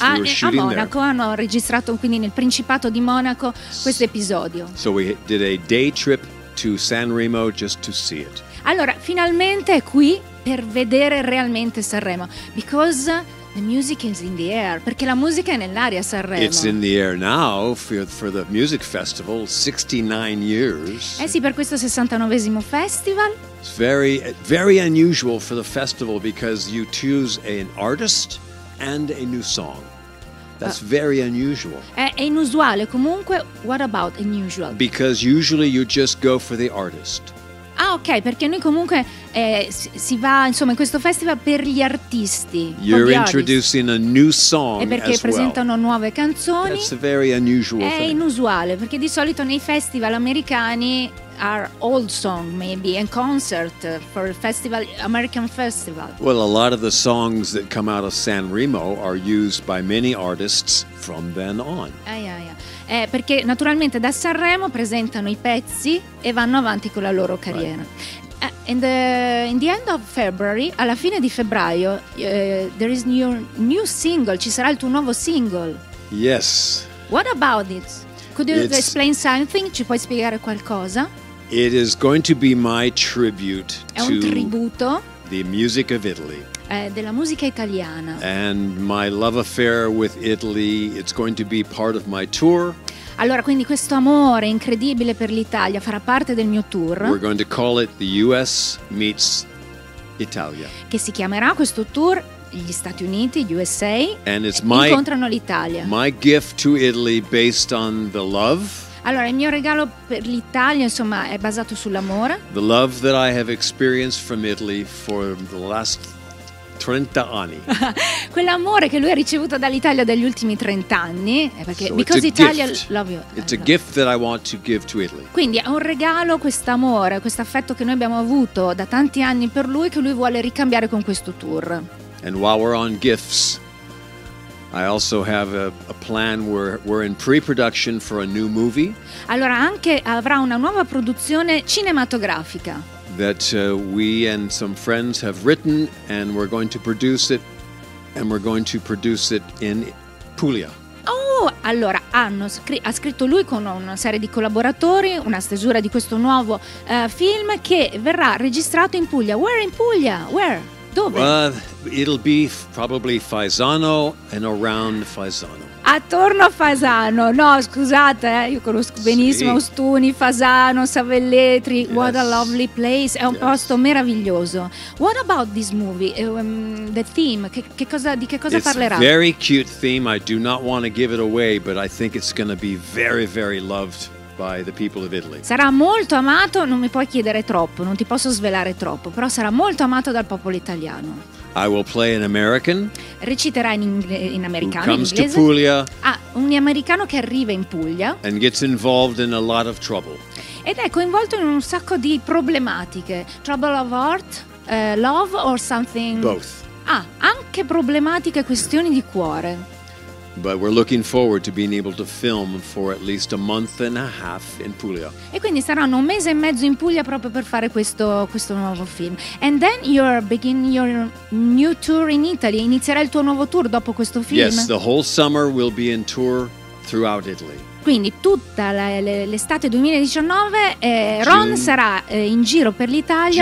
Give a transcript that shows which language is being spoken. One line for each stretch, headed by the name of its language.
Italian: a Monaco hanno registrato, quindi nel Principato di Monaco, questo episodio.
English: So we did a day trip to San Remo just to see it.
Italian: Allora, finalmente è qui per vedere realmente Sanremo.
English: Because the music is in the air.
Italian: Perché la musica è nell'aria a Sanremo.
English: It's in the air now for the music festival, 69 years.
Italian: Eh sì, per questo 69esimo festival.
English: It's very, very unusual for the festival because you choose an artist and a new song. That's very unusual.
Italian: È inusuale, comunque,
English: what about unusual? Because usually you just go for the artist.
Italian: Ah, ok, perché noi comunque si va, insomma, in questo festival per gli artisti.
English: You're introducing a new song.
Italian: E perché presentano nuove canzoni.
English: That's a very unusual thing.
Italian: È inusuale, perché di solito nei festival americani
English: are old song, maybe, and concert for festival, American festival. Well, a lot of the songs that come out of San Remo are used by many artists from then on.
Italian: Perché naturalmente da Sanremo presentano I pezzi e vanno avanti con la loro carriera.
English: Right. In the end of February,
Italian: alla fine di febbraio,
English: there is your new single,
Italian: ci sarà il tuo nuovo single.
English: Yes. What about it? Could you explain something?
Italian: Ci puoi spiegare qualcosa?
English: It is going to be my tribute
Italian: to tributo
English: the music of Italy.
Italian: Della musica italiana.
English: And my love affair with Italy, it's going to be part of my tour.
Italian: Allora, quindi questo amore incredibile per l'Italia farà parte del mio tour.
English: We're going to call it the US meets Italia.
Italian: Che si chiamerà questo tour gli Stati Uniti, USA,
English: and it's
Italian: incontrano l'Italia.
English: My gift to Italy based on the love.
Italian: Allora, il mio regalo per l'Italia, insomma, è basato sull'amore.
English: The love that I have experienced from Italy for the last 30 anni.
Italian: Quell'amore che lui ha ricevuto dall'Italia degli ultimi 30 anni, perché
English: so because Italia gift. Love you. It's a gift that I want to give to Italy.
Italian: Quindi è un regalo quest'amore, questo affetto che noi abbiamo avuto da tanti anni per lui che lui vuole ricambiare con questo tour.
English: And while we're on gifts, I also have a plan where we're in pre-production for a new movie.
Italian: Allora anche avrà una nuova produzione cinematografica.
English: That we and some friends have written and we're going to produce it and we're going to produce it in Puglia.
Italian: Oh, allora ha scritto lui con una serie di collaboratori una stesura di questo nuovo film che verrà registrato in Puglia.
English: Where in Puglia? Where? Dove? It'll be probably Faisano and around Faisano.
Italian: Attorno a Fasano, no scusate, io conosco benissimo Ostuni, Fasano, Savelletri,
English: yes. What a lovely place,
Italian: è un
English: yes.
Italian: posto meraviglioso.
English: What about this movie, the theme,
Italian: di che cosa
English: it's
Italian: parlerà?
English: It's a very cute theme, I do not want to give it away, but I think it's going to be very, very loved by the people of Italy.
Italian: Sarà molto amato, non mi puoi chiedere troppo, non ti posso svelare troppo, però sarà molto amato dal popolo italiano.
English: I will play an American.
Italian: Reciterà in americano.
English: Who comes
Italian: in inglese
English: to Puglia?
Italian: Ah, un americano che arriva in Puglia.
English: And gets involved in a lot of trouble.
Italian: Ed è coinvolto in un sacco di problematiche.
English: Trouble of heart, love or something. Both.
Italian: Ah, anche problematiche, questioni di cuore.
English: But we're looking forward to being able to film for at least a month and a half in Puglia.
Italian: E quindi saranno un mese e mezzo in Puglia proprio per fare questo nuovo film.
English: And then you're beginning your new tour in Italy.
Italian: Inizierà il tuo nuovo tour dopo questo film?
English: Yes, the whole summer we'll be in tour throughout Italy.
Italian: Quindi tutta l'estate 2019 Ron sarà in giro per l'Italia